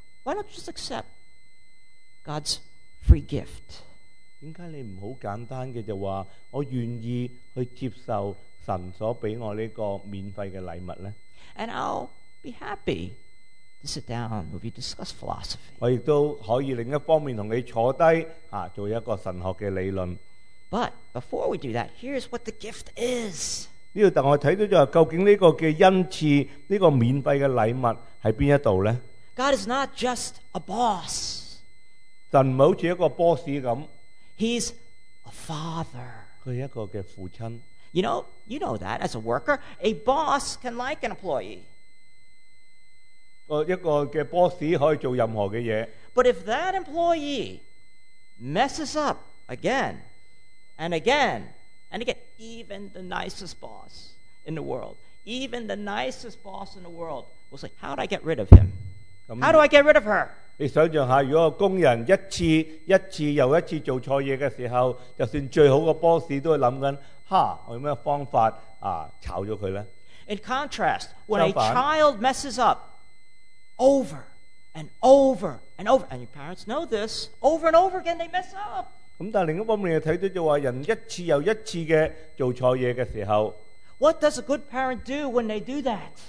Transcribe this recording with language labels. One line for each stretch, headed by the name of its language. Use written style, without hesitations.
English: Why don't you just accept God's free gift?
Cantonese: 點解你唔好簡單嘅就話，我願意去接受神所俾我呢個免費嘅禮物呢？
English: And I'll be happy to sit down with you to discuss philosophy.
Cantonese: 我亦都可以另一方面同你坐低，做一個神學嘅理論。
English: But before we do that, here's what the gift is.
Cantonese: 呢度等我睇到就係究竟呢個嘅恩賜，呢個免費嘅禮物喺邊一度咧？
English: God is not just a boss.
Cantonese: 神唔係好似一個 boss 咁。
English: He's a father.
Cantonese: 佢係一個嘅父親。
English: You know that as a worker, a boss can like an employee.
Cantonese: 一个嘅 boss 可以做任何嘅嘢。
English: But if that employee messes up again and again and again, even the nicest boss in the world, even the nicest boss in the world will say, "How do I get rid of him? How do I get rid of her?"
Cantonese: 你想象下，如果工人一次又一次做错嘢嘅时候， 就算最好嘅 boss 都会谂紧， 哈，我有咩方法炒咗佢咧？
English: In contrast, when a child messes up over and over and over, and your parents know this, over and over again they mess up.
Cantonese: 但另一方面，你睇到就话人一次又一次嘅做错嘢嘅时候，
English: what does a good parent do when they do that?